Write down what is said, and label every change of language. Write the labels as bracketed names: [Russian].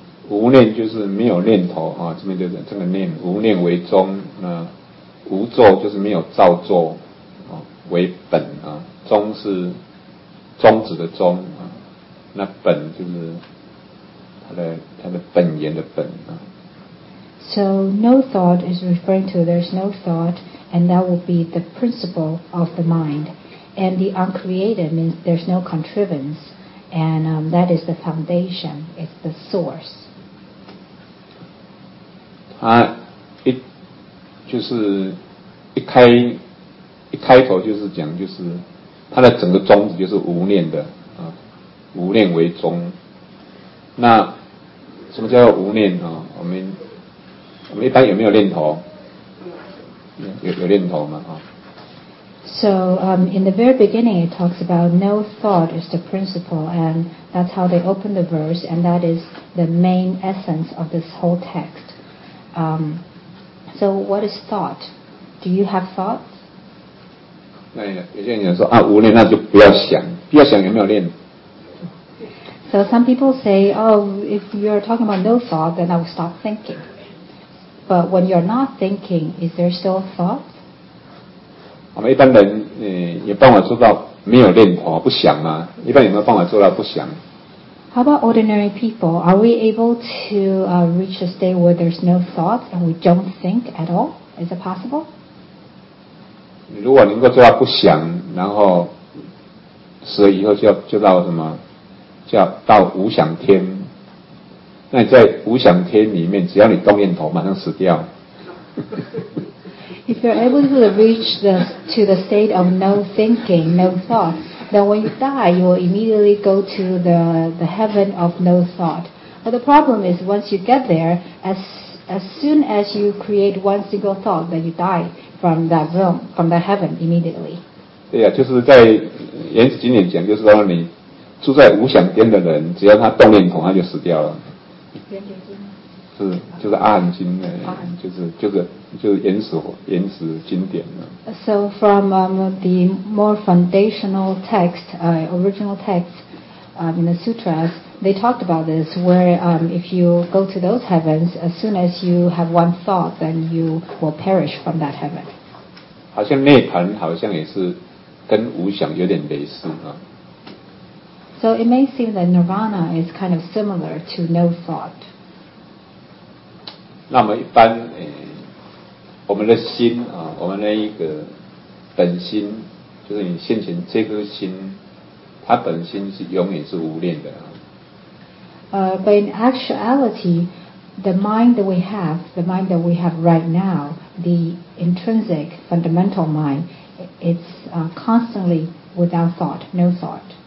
[Chinese] 无念就是没有念头啊，这边就是这个念，无念为宗。那无作就是没有造作啊，为本啊。宗是宗旨的宗啊，那本就是它的本源的本啊。 [English] So no thought is referring to there's no thought, and that will be the principle of the mind. And the uncreated means there's no contrivance, and that is the foundation, it's the source. [Chinese] 它一就是一开头就是讲，就是它的整个宗旨就是无念的啊，无念为宗。那什么叫做无念啊？我们一般有没有念头？有念头吗？啊？ [English] So in the very beginning, it talks about no thought is the principle, and that's how they open the verse, and that is the main essence of this whole text. So what is thought? Do you have thoughts? [Chinese] 那有些人说啊，无念，那就不要想，不要想有没有念。 [English] So some people say, oh, if you're talking about no thought, then I will stop thinking. But when you're not thinking, is there still thought? [Chinese] 我们一般人有办法做到没有念头不想吗？一般有没有办法做到不想？ [English] How about ordinary people? Are we able to reach a state where there's no thought and we don't think at all? Is it possible? [Chinese] 如果能够做到不想，然后死了以后就到什么？叫到无想天。那你在无想天里面，只要你动念头，马上死掉。 [English] If you're able to reach to the state of no thinking, no thought, then when you die, you will immediately go to the heaven of no thought. But the problem is, once you get there, as soon as you create one single thought, then you die from that realm, from that heaven immediately. [Chinese] 对啊，就是在原始经典讲，就是说你住在无想天的人，只要他动念头，他就死掉了。原始经典。是，就是阿含经的，就是原始经典的。 [English] So from the more foundational text, original text, in the sutras, they talked about this, where if you go to those heavens, as soon as you have one thought, then you will perish from that heaven. [Chinese] 好像涅槃好像也是跟无想有点类似啊。 [English] So it may seem that nirvana is kind of similar to no thought. [Chinese] 那么一般我们的心啊，我们的一个本心，就是你现前这颗心，它本心是永远是无念的啊。 [English] But in actuality, the mind that we have right now, the intrinsic fundamental mind, it's constantly without thought, no thought.